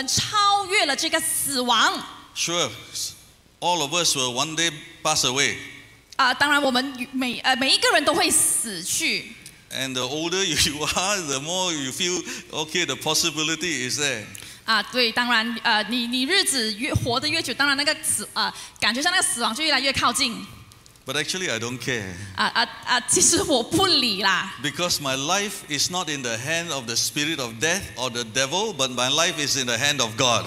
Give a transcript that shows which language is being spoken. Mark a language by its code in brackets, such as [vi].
[zh] 所以呢，刚才我们读到的这个经文也是告诉我们，修复我们超越了这个死亡。 [en] Sure, all of us will one day pass away. [zh] 当然我们每一个人都会死去。 [en] And the older you are, the more you feel okay. The possibility is there. [zh] 对，当然，你日子越活得越久，当然那个感觉上那个死亡就越来越靠近。 [en] But actually, I don't care. [zh] 其实我不理啦. [en] Because my life is not in the hand of the spirit of death or the devil, but my life is in the hand of God.